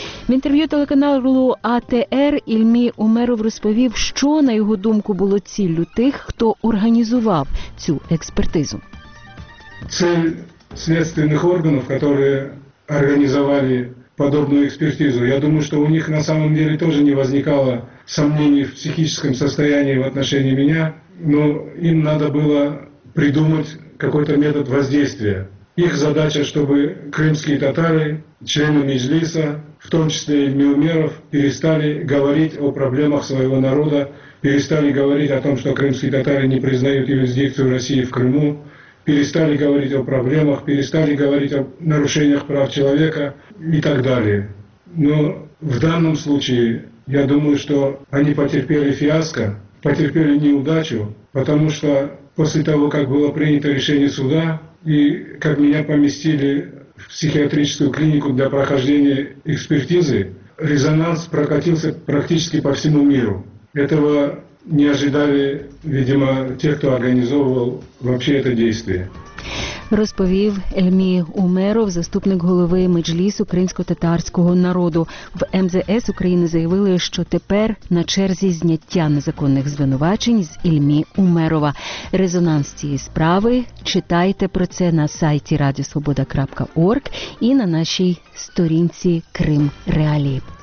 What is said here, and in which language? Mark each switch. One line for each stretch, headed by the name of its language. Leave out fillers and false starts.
Ukrainian: В інтерв'ю телеканалу АТР Ельмі Умеров розповів, що, на його думку, було ціллю тих, хто організував цю експертизу. Цель слідчих органів, які організували
Russian: подобную экспертизу. Я думаю, что у них на самом деле тоже не возникало сомнений в психическом состоянии в отношении меня, но им надо было придумать какой-то метод воздействия. Их задача, чтобы крымские татары, члены Меджлиса, в том числе и Меумеров, перестали говорить о проблемах своего народа, перестали говорить о том, что крымские татары не признают юрисдикцию России в Крыму, перестали говорить о проблемах, перестали говорить о нарушениях прав человека и так далее. Но в данном случае, я думаю, что они потерпели фиаско, потерпели неудачу, потому что после того, как было принято решение суда, и как меня поместили в психиатрическую клинику для прохождения экспертизы, резонанс прокатился практически по всему миру. Этого не ожидали, видимо, те, кто организовывал вообще это действие.
Ukrainian: Розповів Ельмі Умеров, заступник голови Меджлісу кримсько-татарського народу. В МЗС України заявили, що тепер на черзі зняття незаконних звинувачень з Ельмі Умерова. Резонанс цієї справи читайте про це на сайті радіосвобода.орг і на нашій сторінці «Крим Реалії».